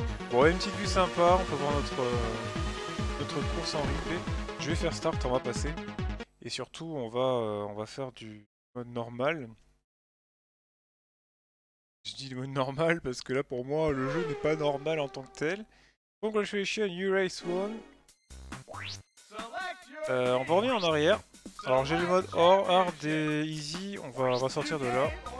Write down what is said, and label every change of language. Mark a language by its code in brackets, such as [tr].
[fr] Bon, une petite vue sympa, on peut voir notre course en replay. Je vais faire start, on va passer. Et surtout on va faire du mode normal. Je dis le mode normal parce que là pour moi le jeu n'est pas normal en tant que tel. [en] Congratulations, you race one. [fr] On va revenir en arrière. Alors j'ai le mode hard et easy, on va sortir de là.